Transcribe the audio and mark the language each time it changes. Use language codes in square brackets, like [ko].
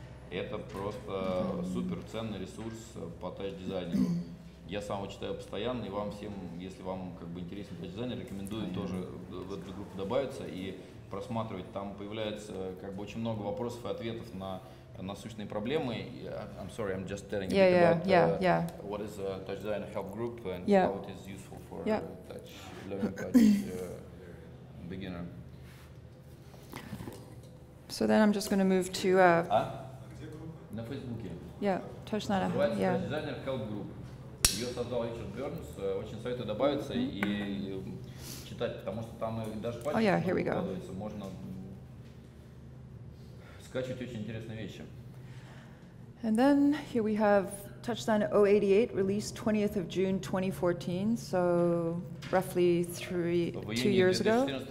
[ru] Это просто супер ценный ресурс по тач-дизайнеру. Я сам его читаю постоянно, и вам всем, если вам как бы интересен тач-дизайнер, рекомендую тоже в эту группу добавиться и просматривать. Там появляется как бы очень много вопросов и ответов на насущные проблемы. [en] I'm sorry, I'm just telling you about what is a touch designer help group and how it is useful for touch learning touch beginner. So then I'm just going to move to [ru] на Фейсбуке. [en] Yeah, touch designer. [ru] Touch designer help group. Ее создал Ричард Бёрнс. Очень советую добавиться и читать, потому что там даже [en] пальцы. Oh yeah, here we go. [ru] Можно скачивать очень интересные вещи. [en] And then here we have TouchDesigner 088, released 20th of June 2014, so roughly two years ago.